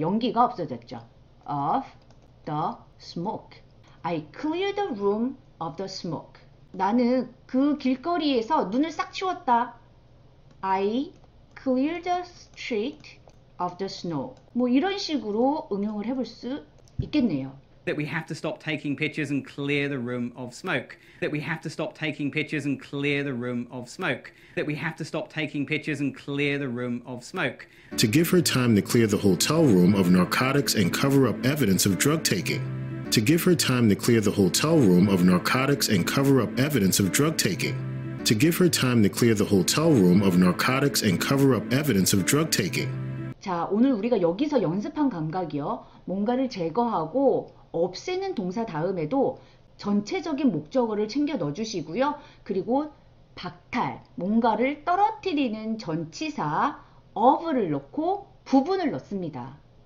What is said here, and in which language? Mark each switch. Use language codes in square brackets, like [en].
[ko] 연기가 없어졌죠. [en] Of the smoke. I cleared the room of the smoke. [ko] 나는 그 길거리에서 눈을 싹 치웠다. [en] I cleared the street of the snow. [ko] 뭐 이런 식으로 응용을 해볼 수 있겠네요. [en] That we have to stop taking pictures and clear the room of smoke. That we have to stop taking pictures and clear the room of smoke. That we have to stop taking pictures and clear the room of smoke. To give her time to clear the hotel room of narcotics and cover up evidence of drug taking. To give her time to clear the hotel room of narcotics and cover up evidence of drug taking. To give her time to clear the hotel room of narcotics and cover up evidence of drug taking. [ko] 자, 오늘 우리가 여기서 연습한 감각이요. 뭔가를 제거하고 없애는 동사 다음에도 전체적인 목적어를 챙겨 넣어주시고요. 그리고 박탈, 뭔가를 떨어뜨리는 전치사 of를 넣고 부분을 넣습니다.